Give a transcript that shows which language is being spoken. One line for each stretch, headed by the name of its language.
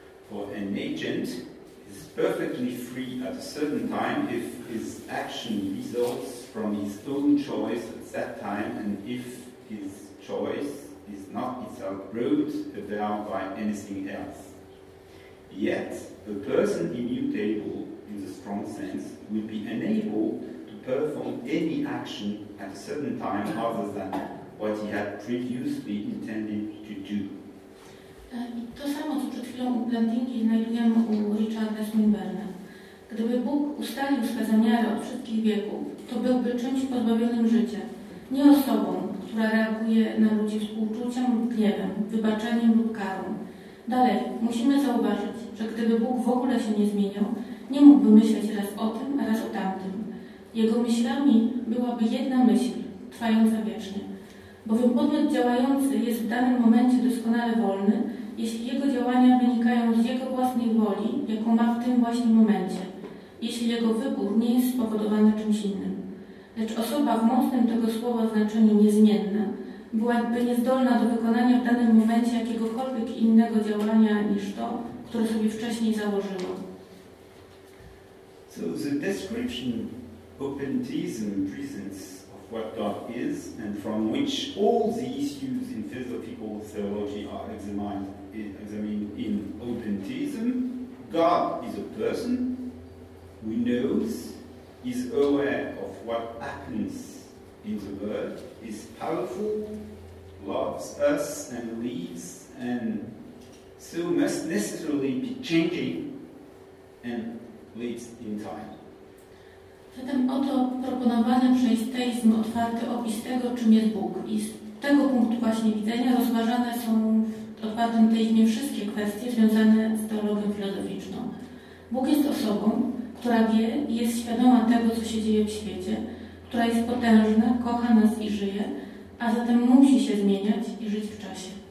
English: For an agent is perfectly free at a certain time if his action results from his own choice at that time and if his choice is not itself brought about by anything else. Yet, a person immutable in the strong sense would be unable to perform any action at a certain time other than what he had previously intended to do.
Polish: I to samo, co przed chwilą u Plantingi znajdujemy u Richarda Swinburna. Gdyby Bóg ustalił swe zamiary od wszystkich wieków, to byłby czymś pozbawionym życia. Nie osobą, która reaguje na ludzi współczuciem lub gniewem, wybaczeniem lub karą. Dalej, musimy zauważyć, że gdyby Bóg w ogóle się nie zmieniał, nie mógłby myśleć raz o tym, a raz o tamtym. Jego myślami byłaby jedna myśl, trwająca wiecznie. Bowiem podmiot działający jest w danym momencie doskonale wolny, jeśli jego działania wynikają z jego własnej woli, jaką ma w tym właśnie momencie, jeśli jego wybór nie jest spowodowany czymś innym. Lecz osoba w mocnym tego słowa znaczeniu niezmienna byłaby niezdolna do wykonania w danym momencie jakiegokolwiek innego działania niż to, które sobie wcześniej założyło.
English: So the description open theism presents of what God is and from which all the issues in philosophical theology are examined in open theism. God is a person who knows, is aware of what happens in the world, is powerful, loves us and leaves, and so must necessarily be changing and leaves in time.
Polish: Zatem oto proponowany przez teizm otwarty opis tego, czym jest Bóg. I z tego punktu właśnie widzenia rozważane są w otwartym teizmie wszystkie kwestie związane z teologią filozoficzną. Bóg jest osobą, która wie i jest świadoma tego, co się dzieje w świecie, która jest potężna, kocha nas i żyje, a zatem musi się zmieniać i żyć w czasie.